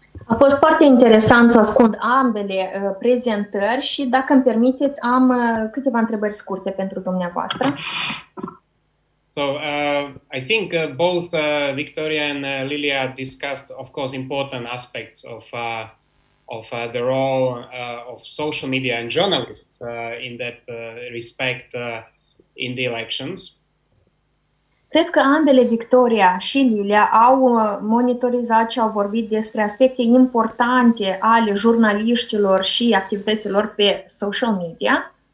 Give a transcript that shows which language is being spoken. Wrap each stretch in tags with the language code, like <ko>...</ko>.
<ro>A fost foarte interesant să ascult ambele prezentări și, dacă îmi permiteți, am câteva întrebări scurte pentru dumneavoastră.</ro> <en>So I think both Victoria and Lilia discussed, of course, important aspects of the role of social media and journalists in that respect in the elections.</en> <ro>Cred că ambele, Victoria și Lilia, au monitorizat și au vorbit despre aspecte importante ale jurnaliștilor și activităților pe social media.</ro>